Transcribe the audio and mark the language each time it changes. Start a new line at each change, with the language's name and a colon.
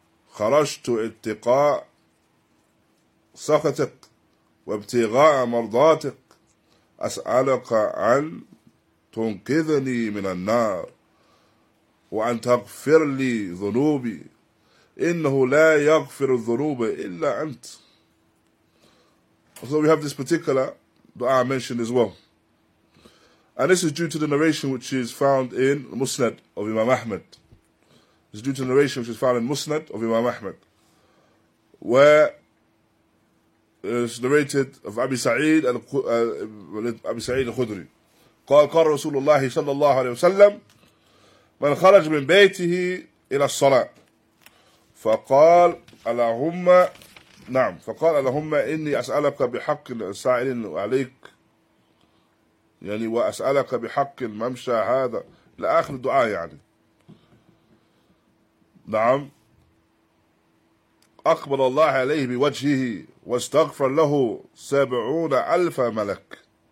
Arabic: خرجت اتقاء سخطك وابتغاء مرضاتك أسألك أن تنقذني من النار وأن تغفر لي ذنوبي إنه لا يغفر الذنوب إلا أنت.
English: So we have this particular dua mentioned as well. And this is due to the narration which is found in Musnad of Imam Ahmad. It's due to the narration which is found in Musnad of Imam Ahmad. Where it's narrated of Abi Sa'id al-Khudri.
Arabic: قال قال رسول الله صلى الله عليه وسلم من خرج من بيته إلى الصلاة فقال اللهم نعم فقال اللهم إني أسألك بحق سائل عليك يعني وأسألك بحق الممشى هذا لآخر الدعاء يعني نعم أقبل الله عليه بوجهه واستغفر له 70,000 ملك.